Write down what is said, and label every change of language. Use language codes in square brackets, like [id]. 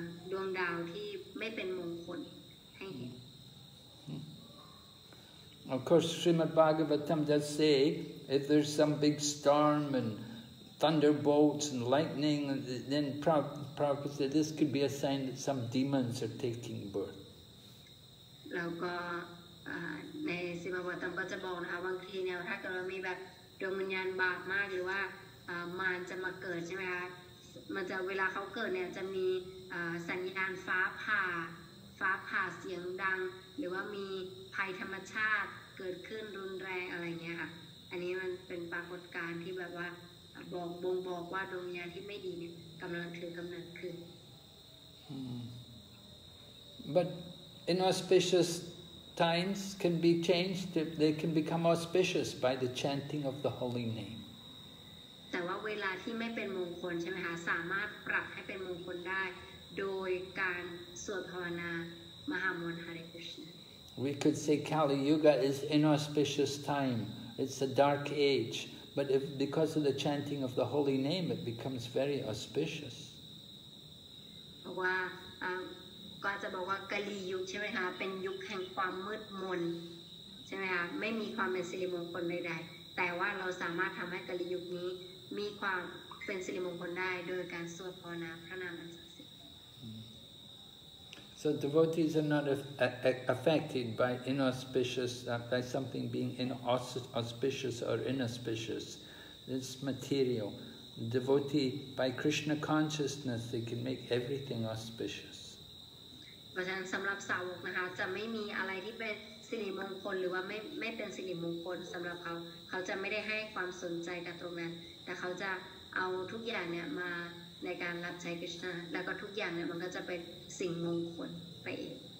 [th] ดวงดาวที่ไม่เป็นมงคลให้เห็น [en] Of course Srimad Bhagavatam does say if there's some big storm and thunderbolts and lightning then Prabhupada said this could be a sign that some demons are taking birth [th] แล้วก็ในศรีมหาวัตรก็จะบอกนะคะบางทีเนี่ยถ้าเกิดมีแบบดวงวิญญาณบาปมากหรือว่ามารจะมาเกิดใช่ไหมคะมันจะเวลาเขาเกิดเนี่ยจะมีสัญญาณฟ้าผ่าเสียงดังหรือว่ามีภัยธรรมชาติเกิดขึ้นรุนแรงอะไรเงี้ยค่ะอันนี้มันเป็นปรากฏการณ์ที่แบบว่าบอกว่าดวงวิญญาณที่ไม่ดีเนี่ยกำลังถือกำเนิดขึ้น [en] But inauspicious times can be changed they can become auspicious by the chanting of the holy name [th] แต่ว่าเวลาที่ไม่เป็นมงคลใช่ไหมคะสามารถปรับให้เป็นมงคลได้โดยการสวดภาวนามหามนต์ฮาริคริชนา [en] We could say Kali Yuga is inauspicious time. It's a dark age. But if because of the chanting of the holy name, it becomes very auspicious. [th] เพราะว่าก็จะบอกว่ากาลียุคใช่ไหมคะเป็นยุคแห่งความมืดมนใช่ไหมคะไม่มีความเป็นสิริมงคลใดใดแต่ว่าเราสามารถทำให้กาลียุคนี้มีความเป็นสิริมงคลได้โดยการสวดภาวนาพระนามอันศักดิ์สิทธิ์ [en] So devotees are not affected by inauspicious by something being inauspicious or inauspicious. It's material. Devotee by Krishna consciousness they can make everything auspicious. [th] เพราะฉะนั้นสำหรับสาวกนะคะจะไม่มีอะไรที่เป็นสิริมงคลหรือว่าไม่เป็นสิริมงคลสำหรับเขาจะไม่ได้ให้ความสนใจกับตรงนั้นแต่เขาจะเอาทุกอย่างเนี่ยมาในการรับใช้คริสต์แล้วก็ทุกอย่างเนี่ยมันก็จะเป็นสิ่งมงคลไปเอง